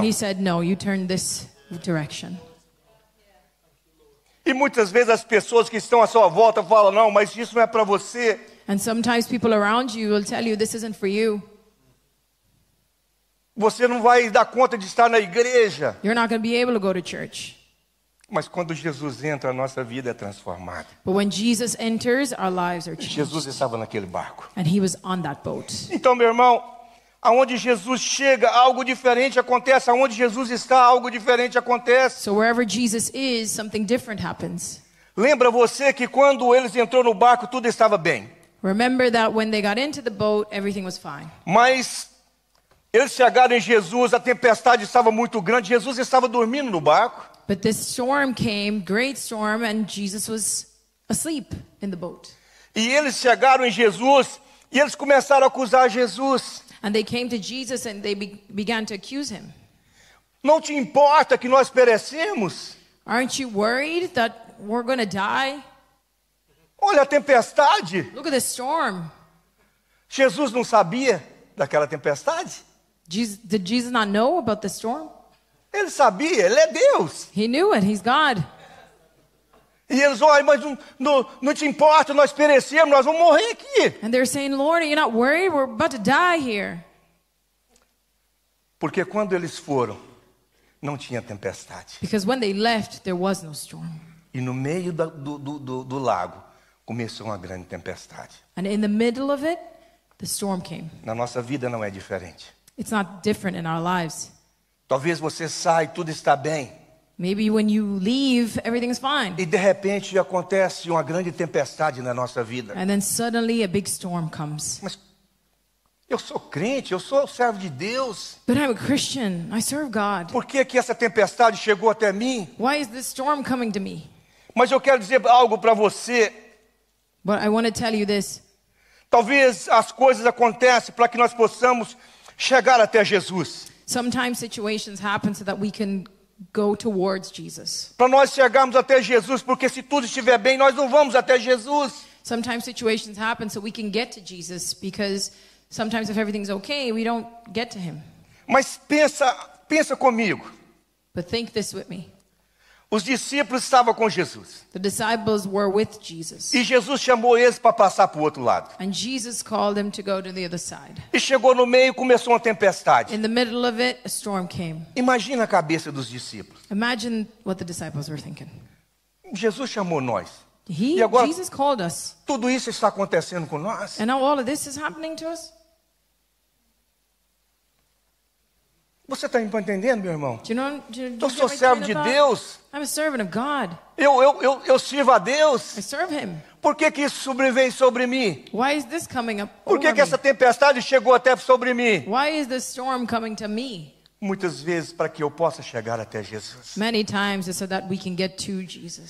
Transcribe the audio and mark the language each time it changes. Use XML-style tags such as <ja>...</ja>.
<en>And he said, no, you turn this direction.</en> <pt>E muitas vezes as pessoas que estão à sua volta falam, não, mas isso não é para você.</pt> <en>And sometimes people around you will tell you this isn't for you.</en> <pt>Você não vai dar conta de estar na igreja.</pt> <en>You're not going to be able to go to church.</en> <pt>Mas quando Jesus entra, a nossa vida é transformada.</pt> <en>But when Jesus enters, our lives are changed.</en> <pt>Jesus estava naquele barco.</pt> <en>And he was on that boat.</en> <pt>Então, meu irmão, aonde Jesus chega, algo diferente acontece. Aonde Jesus está, algo diferente acontece.</pt> <en>So wherever Jesus is, something different happens.</en> <pt>Lembra você que quando eles entrou no barco, tudo estava bem.</pt> <en>Remember that when they got into the boat, everything was fine.</en> <pt>Mas eles chegaram em Jesus, a tempestade estava muito grande. Jesus estava dormindo no barco.</pt> <en>But this storm came, great storm, and Jesus was asleep in the boat.</en> <pt>E eles chegaram em Jesus e eles começaram a acusar Jesus.</pt> <en>And they came to Jesus and they began to accuse him.</en> <pt>Não te importa que nós perecemos?</pt> <en>Aren't you worried that we're going to die?</en> <pt>Olha a tempestade.</pt> <en>Look at the storm.</en> <pt>Jesus não sabia daquela tempestade?</pt> <en>Did Jesus not know about the storm?</en> <pt>Ele sabia, ele é Deus.</pt> <en>He knew it, he's God.</en> <pt>E eles olham, mas não te importa, nós perecemos, nós vamos morrer aqui.</pt> <en>And they're saying, Lord, are you not worried? We're about to die here.</en> <pt>Porque quando eles foram, não tinha tempestade.</pt> <en>Because when they left, there was no storm.</en> <pt>E no meio do lago, começou uma grande tempestade.</pt> <en>And in the middle of it, the storm came.</en> <pt>Na nossa vida não é diferente.</pt> <en>It's not different in our lives.</en> <pt>Talvez você saia, tudo está bem.</pt> <en>Maybe when you leave, everything's fine.</en> <pt>E de repente acontece uma grande tempestade na nossa vida.</pt> <en>And then suddenly a big storm comes.</en> <pt>Mas eu sou crente, eu sou servo de Deus.</pt> <en>But I'm a Christian, I serve God.</en> <pt>Por que que essa tempestade chegou até mim?</pt> <en>Why is this storm coming to me?</en> <pt>Mas eu quero dizer algo para você.</pt> <en>But I want to tell you this.</en> <pt>Talvez as coisas acontecem para que nós possamos chegar até Jesus.</pt> <en>Sometimes situations happen so that we can go towards Jesus.</en> <pt>Para nós chegarmos até Jesus, porque se tudo estiver bem, nós não vamos até Jesus.</pt> <en>Sometimes situations happen so we can get to Jesus, because sometimes if everything's okay, we don't get to him.</en> <pt>Mas pensa comigo.</pt> <en>But think this with me.</en> <pt>Os discípulos estavam com Jesus.</pt> <en>The disciples were with Jesus.</en> <pt>E Jesus chamou eles para passar para o outro lado.</pt> <en>And Jesus called them to go to the other side.</en> <pt>E chegou no meio e começou uma tempestade.</pt> <en>In the middle of it, a storm came.</en> <pt>Imagina a cabeça dos discípulos.</pt> <en>Imagine what the disciples were thinking.</en> <pt>Jesus chamou nós.</pt> <en>Jesus called us.</en> <pt>Tudo isso está acontecendo com nós.</pt> <en>And now all of this is happening to us.</en> <pt>Você está me entendendo, meu irmão?</pt> <en>Do you</en> <pt>eu sou servo de Deus.</pt> <en>I'm a servant of God.</en> <pt>Eu sirvo a Deus.</pt> <en>I serve him.</en> <pt>Por que que isso sobrevém sobre mim?</pt> <en>Why is this coming up</en> <pt>Por que</pt> <en>over</en> <pt>que</pt> <en>me?</en> <pt>Essa tempestade chegou até sobre mim?</pt> <en>Why is this storm coming to me?</en> <pt>Muitas vezes para que eu possa chegar até Jesus.</pt> <en>Many times so that we can get to Jesus.</en>